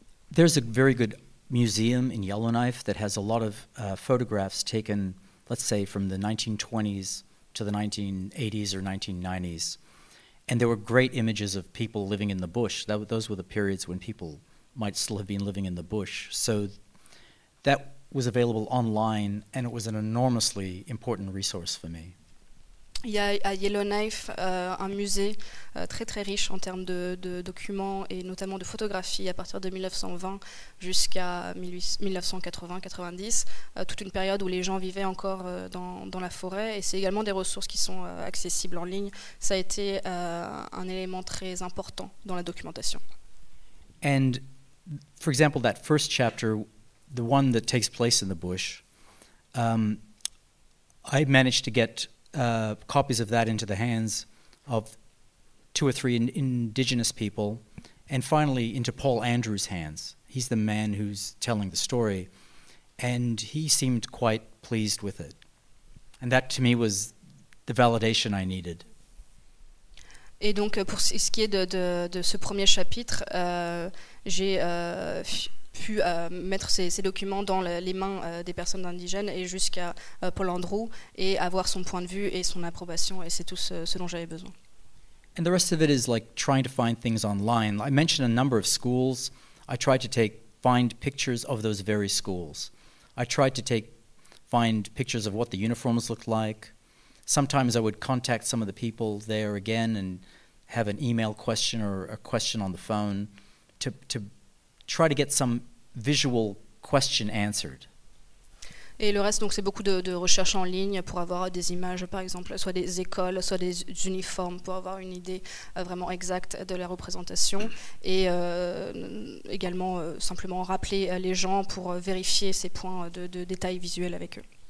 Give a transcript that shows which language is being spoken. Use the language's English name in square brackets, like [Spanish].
[English] There's a very good museum in Yellowknife that has a lot of photographs taken, let's say, from the 1920s to the 1980s or 1990s. And there were great images of people living in the bush. Those were the periods when people might still have been living in the bush. So that was available online, and it was an enormously important resource for me. [French] Il y a à Yellowknife un musée très très riche en termes de documents et notamment de photographies à partir de 1920 jusqu'à 1980-90, toute une période où les gens vivaient encore dans la forêt, et c'est également des ressources qui sont accessibles en ligne. Ça a été un élément très important dans la documentation. [English] And for example, that first chapter, the one that takes place in the bush, I managed to get copies of that into the hands of two or three indigenous people, and finally into Paul Andrews' hands. He's the man who's telling the story, and he seemed quite pleased with it. And that, to me, was the validation I needed. [French] Et donc, pour ce qui est de ce premier chapitre, j'ai pu mettre ces documents dans les mains des personnes indigènes et jusqu'à Paul Andrew, et avoir son point de vue et son approbation, et c'est tout ce dont j'avais besoin. [English] And the rest of it is like trying to find things online. I mentioned a number of schools. I tried to find pictures of those very schools. I tried to find pictures of what the uniforms looked like. Sometimes I would contact some of the people there again and have an email question or a question on the phone to try to get some visual question answered. [French] Et le reste, donc, c'est beaucoup de recherches en ligne pour avoir des images, par exemple, soit des écoles, soit des uniformes, pour avoir une idée vraiment exacte de la représentation. Et également, simplement rappeler les gens pour vérifier ces points de détails visuels avec eux.